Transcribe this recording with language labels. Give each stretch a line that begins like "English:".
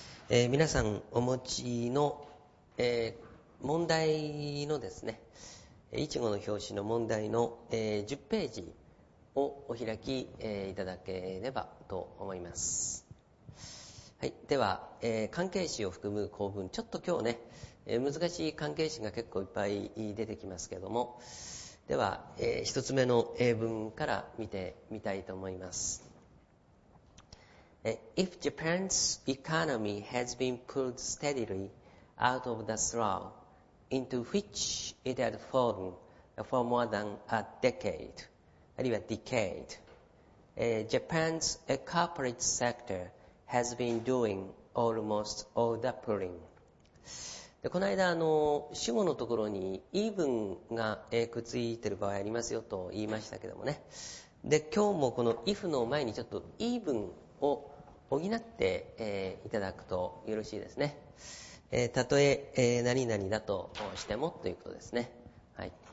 Japanese: 皆さんお持ちの、問題のですね、いちごの表紙の問題の、10ページをお開き、いただければと思います。はい、では、関係詞を含む構文、ちょっと今日ね難しい関係詞が結構いっぱい出てきますけども、では、一つ目の英文から見てみたいと思います。
English: If Japan's economy has been pulled steadily out of the slough into which it had fallen for more than a decade, あるいは decade、Japan's corporate sector has been doing almost all the pulling。
Japanese: でこの間主語のところに even がくっついてる場合ありますよと言いましたけどもね。で今日もこの if の前にちょっと even を補って、いただくとよろしいですね。たとええー、何々だとしてもということですね。はい。